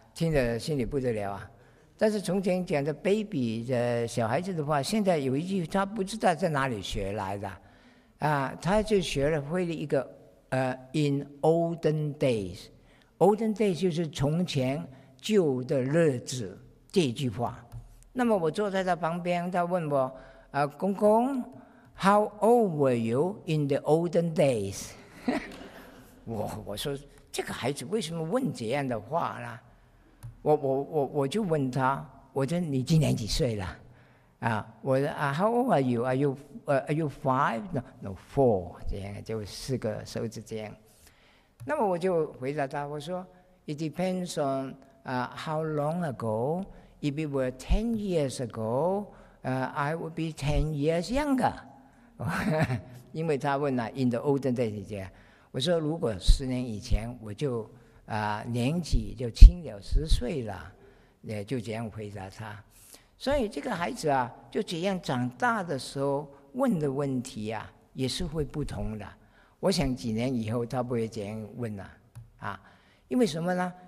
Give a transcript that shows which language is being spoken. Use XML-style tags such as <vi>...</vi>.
<zh>听着心里不得了啊！但是从前讲的 baby 的小孩子的话，现在有一句他不知道在哪里学来的，他就学了会了一个</zh> <en>in olden days，</en> <zh>olden days 就是从前旧的日子这句话。那么我坐在他旁边，他问我公公。</zh> <en>How old were you in the olden days？</en> <zh>我说这个孩子为什么问这样的话呢？我就问他，我说你今年几岁了？我说</zh> <en>How old are you？ Are you five？ No four，</en> <zh>这样就四个手指这样。那么我就回答他，我说</zh> <en>It depends on how long ago. If it were 10 years ago, I would be 10 years younger。</en> <zh>因为他问了</zh> <en>in the olden days，</en> <zh>我说如果十年以前我就年纪就轻了十岁了，也就这样回答他。所以这个孩子啊，就这样长大的时候问的问题啊，也是会不同的。我想几年以后他不会这样问了 因为什么呢？</zh>